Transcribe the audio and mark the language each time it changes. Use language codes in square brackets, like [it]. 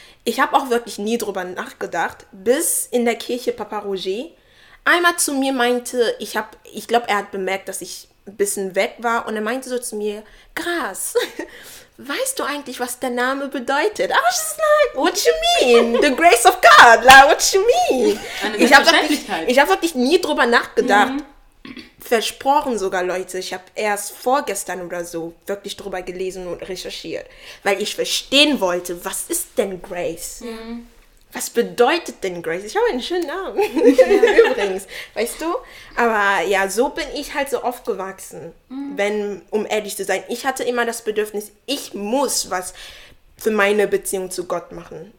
[de] Ich habe auch wirklich nie drüber nachgedacht, bis in der Kirche Papa Roger einmal zu mir meinte, ich glaube, er hat bemerkt, dass ich ein bisschen weg war, und er meinte so zu mir, krass, weißt du eigentlich, was der Name bedeutet? [en] I was just like, what you mean? The grace of God, like, what you mean? [de] Ich habe wirklich nie drüber nachgedacht. Versprochen sogar, Leute, ich habe erst vorgestern oder so wirklich drüber gelesen und recherchiert, weil ich verstehen wollte, was ist denn Grace? Mhm. Was bedeutet denn Grace? Ich habe einen schönen Namen, übrigens, weißt du? Aber ja, so bin ich halt so aufgewachsen, wenn, um ehrlich zu sein, ich hatte immer das Bedürfnis, ich muss was für meine Beziehung zu Gott machen.